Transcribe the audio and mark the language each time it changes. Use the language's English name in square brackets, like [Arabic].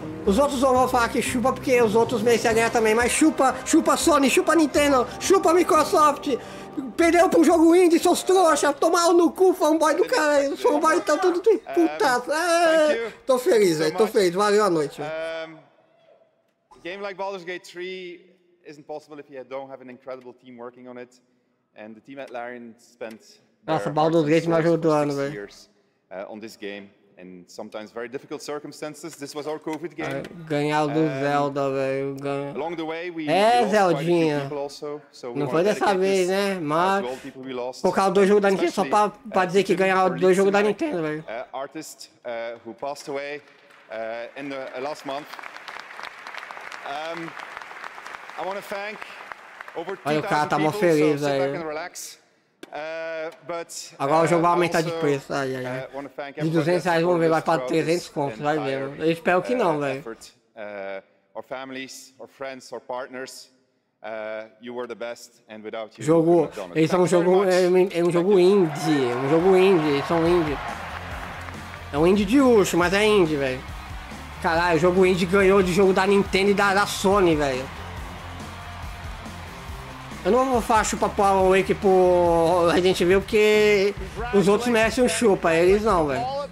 [Portuguese] Os outros não vão falar que chupa, porque os outros merecem ganhar também, mas chupa, chupa Sony, chupa Nintendo, chupa Microsoft! Perdeu pro jogo indie, seus trouxa, tomar no cu, fanboy do cara, os fanboy tá tudo de putaço. Tô feliz, velho, tô feliz, valeu a noite. [English] A game like Baldur's Gate 3 isn't possible if you don't have an incredible team working on it, and the team at Larian spent... [Portuguese] Nossa, Baldur's Gate me ajudou do ano, velho. [English] On this game. And sometimes very difficult circumstances. This was our COVID game. [Portuguese] Ganhar do Zelda, velho. [English] Along the way, we [Portuguese] Zeldinha. [English] Also, so [Portuguese] não foi dessa vez, né? Mas por causa do jogo da Nintendo, só pra dizer que ganhar do jogo da Nintendo, velho. [English] Artist who passed away in the last month. I want to thank over 2,000 people. [Portuguese] Olha, o cara tá mó feliz, velho. [English] But, [Portuguese] agora o jogo vai aumentar de preço, de 200 reais vamos ver, vai para 300 contos, vai ver, eu espero que não, velho. [English] Our families, our friends, our partners, you were the best, and without you, [Portuguese] jogo, eles são um jogo indie, eles são indie. É um indie de luxo, mas é indie, velho. Caralho, o jogo indie ganhou de jogo da Nintendo e da Sony, velho. Eu não vou falar chupa pro Alan Wake pro Resident Evil, porque os outros merecem um chupa, eles não, velho.